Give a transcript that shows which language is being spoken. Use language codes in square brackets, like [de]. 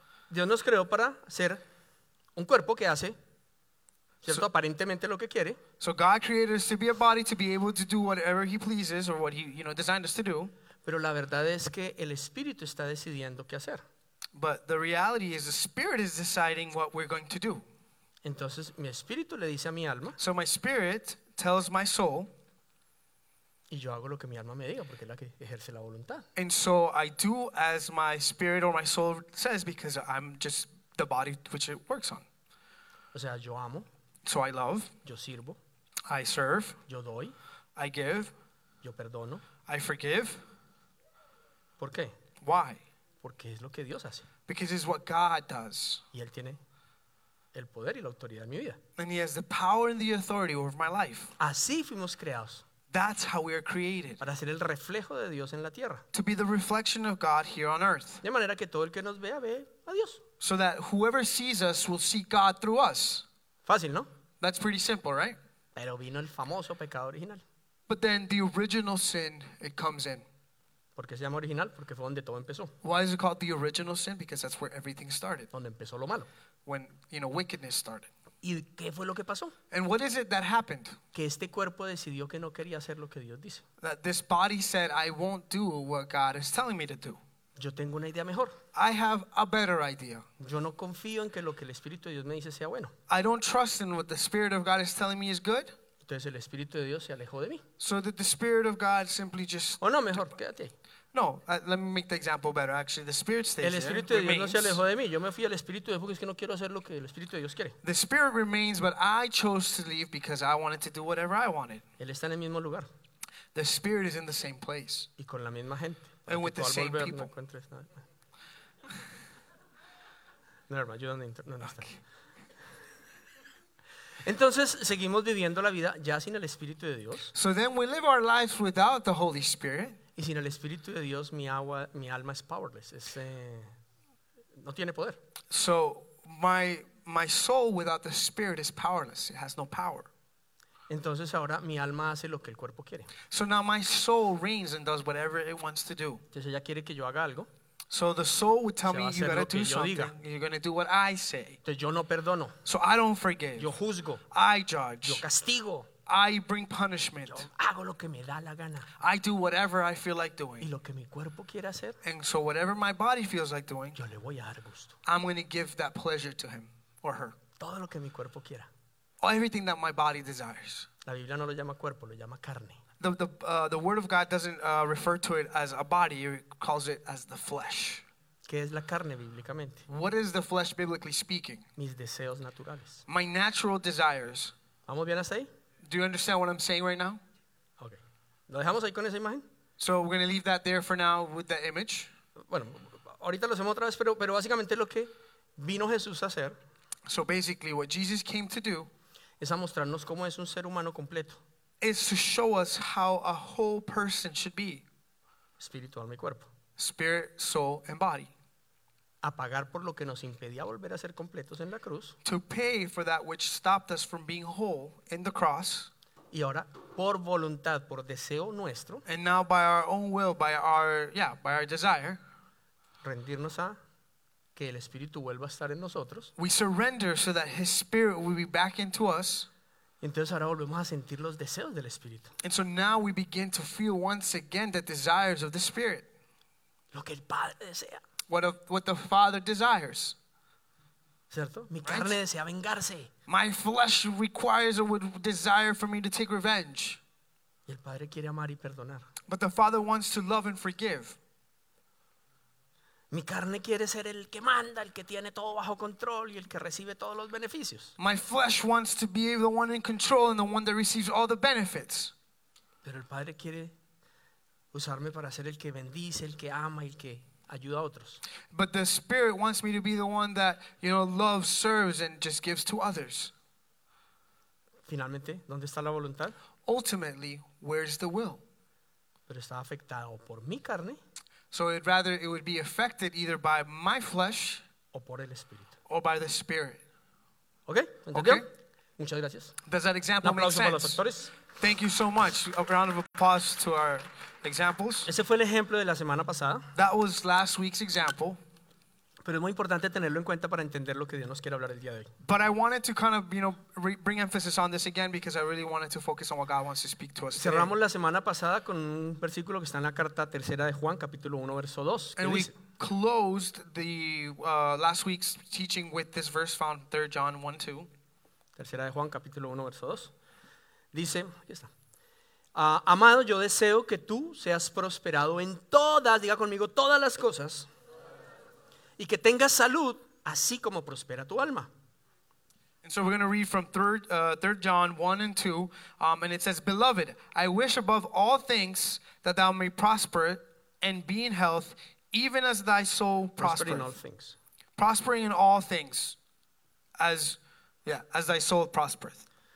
[es] Dios nos creó para ser un cuerpo que hace, ¿cierto? Aparentemente lo que quiere. [en] So God created us to be a body to be able to do whatever he pleases or what he, you know, designed us to do. [es] Pero la verdad es que el espíritu está decidiendo qué hacer. [en] But the reality is the spirit is deciding what we're going to do. [es] Entonces mi espíritu le dice a mi alma. [en] So my spirit tells my soul. [es] Y yo hago lo que mi alma me diga porque es la que ejerce la voluntad. [en] And so I do as my spirit or my soul says because I'm just the body which it works on. [es] O sea, yo amo. [en] So I love. [es] Yo sirvo. [en] I serve. [es] Yo doy. [en] I give. [es] Yo perdono. [en] I forgive. [es] ¿Por qué? [en] Why? [es] Porque es lo que Dios hace. [en] Because it's what God does. [es] Y él tiene el poder y la autoridad en mi vida. [en] And he has the power and the authority over my life. [es] Así fuimos creados. [en] That's how we are created. [es] Para ser el reflejo de Dios en la tierra. [en] To be the reflection of God here on earth. [es] De manera que todo el que nos vea ve a Dios. [en] So that whoever sees us will see God through us. [es] Fácil, ¿no? [en] That's pretty simple, right? [es] Pero vino el famoso pecado original. [en] But then the original sin, it comes in. [es] ¿Por qué se llama original? Porque fue donde todo empezó. [en] Why is it called the original sin? Because that's where everything started. [es] Donde empezó lo malo. [en] When, you know, wickedness started. [es] ¿Y qué fue lo que pasó? [en] And what is it that happened? [es] Que este cuerpo decidió que no quería hacer lo que Dios dice. [en] That this body said, I won't do what God is telling me to do. [es] Yo tengo una idea mejor. [en] I have a better idea. [es] Yo no confío en que lo que el Espíritu de Dios me dice sea bueno. [en] I don't trust in what the Spirit of God is telling me is good. [es] Entonces el Espíritu de Dios se alejó de mí. [en] So that the Spirit of God simply just... [es] Oh, no, mejor, quédate. [en] No, let me make the example better. Actually, the Spirit stays there. [es] El Espíritu de Dios no se alejó de mí. Yo me fui al Espíritu de Dios porque es que no quiero hacer lo que el Espíritu de Dios quiere. [en] The Spirit remains, but I chose to leave because I wanted to do whatever I wanted. [es] Él está en el mismo lugar. [en] The Spirit is in the same place. [es] Y con la misma gente. [en] And with the same people. Never mind, you don't need to understand. [es] Entonces seguimos viviendo la vida ya sin el Espíritu de Dios. [en] So then we live our lives without the Holy Spirit. [es] Y sin el Espíritu de Dios, mi alma es powerless. Es no tiene poder. [en] So my soul without the Spirit is powerless. It has no power. [es] Entonces ahora mi alma hace lo que el cuerpo quiere. [en] So now my soul reigns and does whatever it wants to do. [es] Entonces ella quiere que yo haga algo. [en] So the soul would tell me, you gotta do something. You're gonna do what I say. [es] Entonces yo no perdono. [en] So I don't forgive. [es] Yo juzgo. [en] I judge. [es] Yo castigo. [en] I bring punishment. [es] Yo hago lo que me da la gana. [en] I do whatever I feel like doing. [es] Y lo que mi cuerpo quiere hacer, [en] and so whatever my body feels like doing, [es] yo le voy a dar gusto. [en] I'm gonna give that pleasure to him or her. [es] Todo lo que mi cuerpo quiera. [en] Everything that my body desires. [es] La Biblia no lo llama cuerpo, lo llama carne. [en] The word of God doesn't refer to it as a body, it calls it as the flesh. [es] ¿Qué es la carne bíblicamente? [en] What is the flesh biblically speaking? [es] Mis deseos naturales. [en] My natural desires. [es] ¿Vamos bien hasta ahí? [en] Do you understand what I'm saying right now? Okay. [es] ¿Lo dejamos ahí con esa imagen? [en] So we're going to leave that there for now with the image. [es] Bueno, ahorita lo hacemos otra vez, pero básicamente lo que vino Jesús a hacer. [en] So basically what Jesus came to do [es] es a mostrarnos cómo es un ser humano completo. [en] Is to show us how a whole person should be. [es] Espíritu, alma y cuerpo. [en] Spirit, soul, and body. [es] A pagar por lo que nos impedía volver a ser completos en la cruz. [en] To pay for that which stopped us from being whole in the cross. [es] Y ahora, por voluntad, por deseo nuestro. [en] And now by our own will, by our desire. [es] Rendirnos a que el Espíritu vuelva a estar en nosotros. [en] We surrender so that His Spirit will be back into us. [es] Entonces ahora volvemos a sentir los deseos del Espíritu. [en] And so now we begin to feel once again the desires of the Spirit. [es] Lo que el Padre desea. [en] What the Father desires. [es] ¿Cierto? Mi [en] right? [es] Carne desea vengarse. [en] My flesh requires or would desire for me to take revenge. [es] Y el Padre quiere amar y perdonar. [en] But the Father wants to love and forgive. [es] Mi carne quiere ser el que manda, el que tiene todo bajo control y el que recibe todos los beneficios. [en] My flesh wants to be the one in control and the one that receives all the benefits. [es] Pero el Padre quiere usarme para ser el que bendice, el que ama y el que ayuda a otros. [en] But the Spirit wants me to be the one that, you know, loves, serves and just gives to others. [es] Finalmente, ¿dónde está la voluntad? [en] Ultimately, where is the will? [es] Pero está afectado por mi carne. [en] So it would be affected either by my flesh [es] o por el Espíritu. [en] Or by the Spirit. [es] Okay, ¿entendió? Okay. Muchas gracias. [en] Does that example make sense? [es] Un aplauso para los doctores. [en] Thank you so much. A round of applause to our examples. [es] Ese fue el ejemplo de la semana pasada. [en] That was last week's example. [es] Pero es muy importante tenerlo en cuenta para entender lo que Dios nos quiere hablar el día de hoy. [en] But I wanted to kind of, you know, bring emphasis on this again because I really wanted to focus on what God wants to speak to us. [es] Cerramos [en] today. [es] La semana pasada con un versículo que está en la carta tercera de Juan, capítulo 1, verso 2. [en] And [es] dice, [en] we closed the last week's teaching with this verse found 3 John 1, 2. [es] Tercera de Juan, capítulo 1, verso 2. Dice, aquí está. Amado, yo deseo que tú seas prosperado en todas, diga conmigo, todas las cosas. Y que tengas salud, así como prospera tu alma. [en] And so we're going to read from 3 John 1 and 2. And it says, Beloved, I wish above all things that thou may prosper and be in health, even as thy soul prospereth. Prosper in all things. Prospering in all things, as thy soul prospereth.